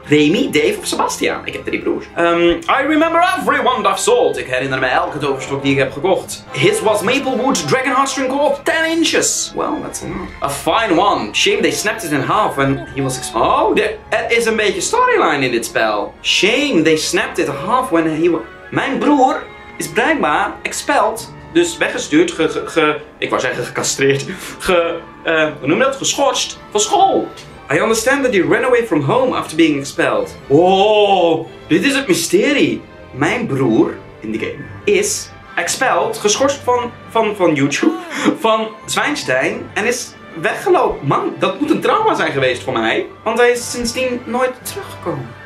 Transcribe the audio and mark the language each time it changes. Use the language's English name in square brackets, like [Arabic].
[Dutch] Remy, Dave of Sebastian. Ik heb 3 broers. [English] I remember every wand I've sold. [Dutch] Ik herinner me elke toverstok die ik heb gekocht. [English] His was Maplewood Dragon Heartstring Core of 10 inches. Well, that's a lot. A fine one. Shame they snapped it in half and he was exposed. Oh, there is [Dutch] een beetje storyline in dit spel. [English] Shame they snapped it in half when he was... [Dutch] Mijn broer is blijkbaar expelled. Dus weggestuurd, ik wou zeggen gecastreerd, hoe noem je dat? Geschorst van school. [English] I understand that you ran away from home after being expelled. [Dutch] Oh, dit is het mysterie. Mijn broer in de game is expelled, geschorst van YouTube, van Zwijnstein en is weggelopen. Man, dat moet een trauma zijn geweest voor mij, want hij is sindsdien nooit teruggekomen.